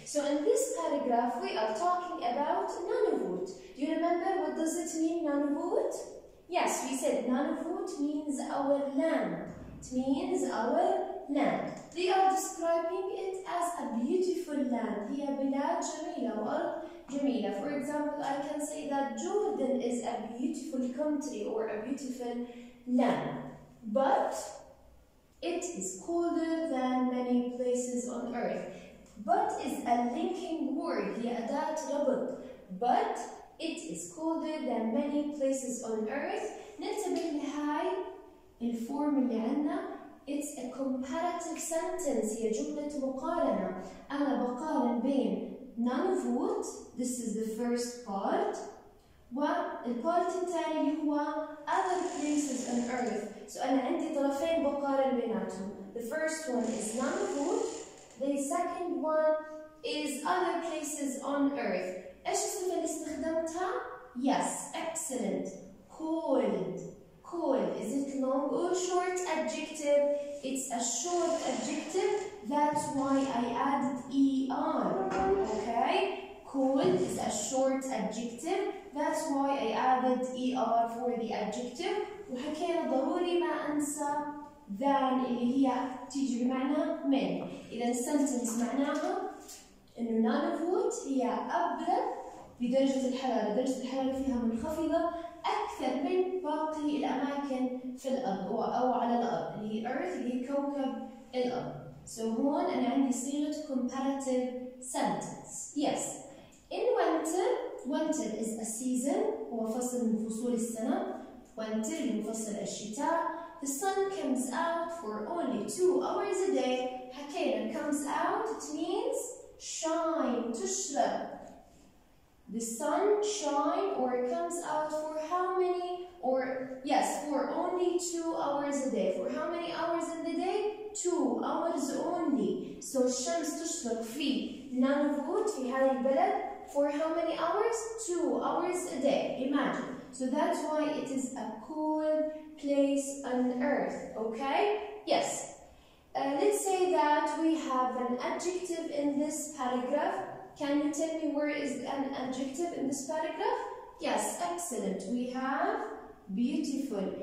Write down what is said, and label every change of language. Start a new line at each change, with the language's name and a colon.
English: So in this paragraph, we are talking about Nunavut. Do you remember what does it mean, Nunavut? Yes, we said Nunavut means our land. It means our land. They are describing it as a beautiful land.
Arabic: هي بلاد جميلة وأرض جميلة.
English: For example, I can say that Jordan is a beautiful country or a beautiful land. But it is colder than many places on earth. But is a linking word.
Arabic: هي أداة ربط.
English: But it is colder than many places on earth.
Arabic: ننتبه لهاي الفورم اللي عندنا.
English: It's a comparative sentence.
Arabic: هي جملة مقارنة. أنا بقارن بين
English: Nunavut. This is the first part.
Arabic: والبارت الثاني هو
English: other places on earth.
Arabic: So أنا عندي طرفين بقارن بيناتهم.
English: The first one is Nunavut. The second one is other places on earth.
Arabic: إيش الصفة اللي استخدمتها؟
English: Yes, excellent. Cold. Cold. Is it long or short adjective? It's a short adjective. That's why I added ER. Okay? Cold is a short adjective. That's why I added ER for the adjective.
Arabic: وحكينا ضروري ما أنسى than اللي هي تيجي بمعنى من. إذا sentence معناها إنه Nunavut هي أبرد بدرجة الحرارة، درجة الحرارة فيها منخفضة أكثر من باقي الأماكن في الأرض أو على الأرض اللي هي Earth اللي هي كوكب الأرض. So هون أنا عندي صيغة
English: comparative sentence. Yes. In winter, winter is a season
Arabic: هو فصل من فصول السنة. Winter هو فصل الشتاء.
English: The sun comes out for only 2 hours a day. حكينا comes out it means shine تشرق. The sun shine or comes out for how many? Or yes, for only 2 hours a day. For how many hours in the day? 2 hours only.
Arabic: So الشمس تشرق في Nunavut في هذه البلد
English: for how many hours? 2 hours a day. Imagine. So that's why it is a cool place on earth. Okay? Yes. Let's say that we have an adjective in this paragraph. Can you tell me where is an adjective in this paragraph? Yes, excellent. We have beautiful.